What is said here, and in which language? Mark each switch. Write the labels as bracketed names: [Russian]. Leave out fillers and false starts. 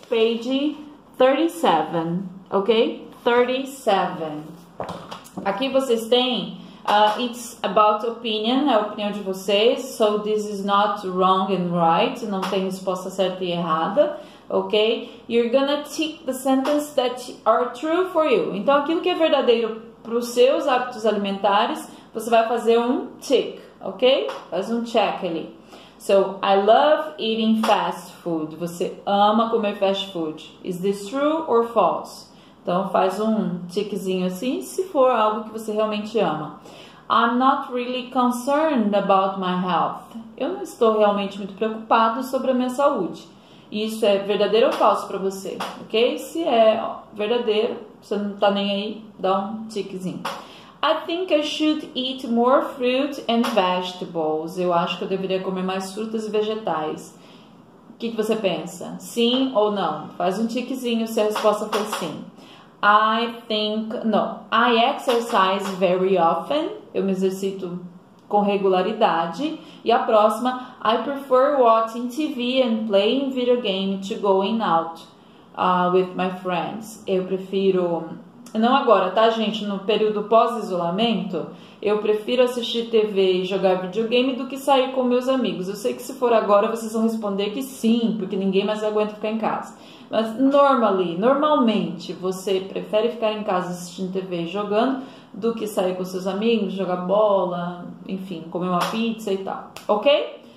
[English] Page 37, okay? 37. [Portuguese] Aqui vocês têm... [English] it's about opinion, [Portuguese] é a opinião de vocês, [English] so this is not wrong and right, [Portuguese] não tem resposta certa e errada, ok? [English] You're gonna tick the sentences that are true for you. [Portuguese] Então, aquilo que é verdadeiro para os seus hábitos alimentares, você vai fazer um tick, ok? Faz um check ali. [English] So, I love eating fast food. [Portuguese] Você ama comer fast food. Is this true or false? Então, faz um tiquezinho assim, se for algo que você realmente ama. [English] I'm not really concerned about my health. [Portuguese] Eu não estou realmente muito preocupado sobre a minha saúde. Isso é verdadeiro ou falso para você? Ok? Se é verdadeiro, você não está nem aí, dá um tiquezinho. [English] I think I should eat more fruit and vegetables. [Portuguese] Eu acho que eu deveria comer mais frutas e vegetais. O que você pensa? Sim ou não? Faz um tiquezinho se a resposta for sim. [English] I exercise very often. [Portuguese] Eu me exercito com regularidade. E a próxima, [English] I prefer watching TV and playing video game to going out with my friends. [Portuguese] Eu prefiro Não agora, tá, gente? No período pós-isolamento, eu prefiro assistir TV e jogar videogame do que sair com meus amigos. Eu sei que se for agora, vocês vão responder que sim, porque ninguém mais aguenta ficar em casa. Mas normalmente, você prefere ficar em casa assistindo TV e jogando do que sair com seus amigos, jogar bola, enfim, comer uma pizza e tal, ok?